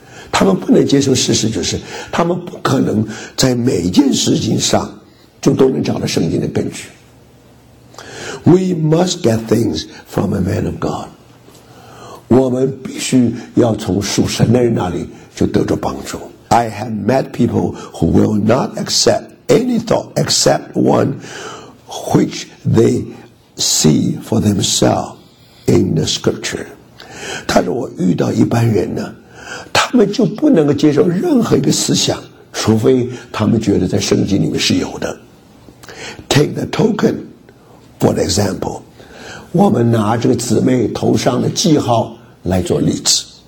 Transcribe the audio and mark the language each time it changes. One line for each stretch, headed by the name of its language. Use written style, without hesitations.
Chinese: 他们不能接受事实，就是他们不可能在每件事情上就都能找到圣经的根据。
English: We must get things from a man of God。
Chinese: 我们必须要从属神的人那里就得着帮助。
English: I have met people who will not accept any thought except one which they see for themselves in the scripture。
Chinese: 他说我遇到一般人呢，他们就不能够接受任何一个思想，除非他们觉得在圣经里面是有的。 Take the token for the example，我们拿这个姊妹头上的记号来做例子。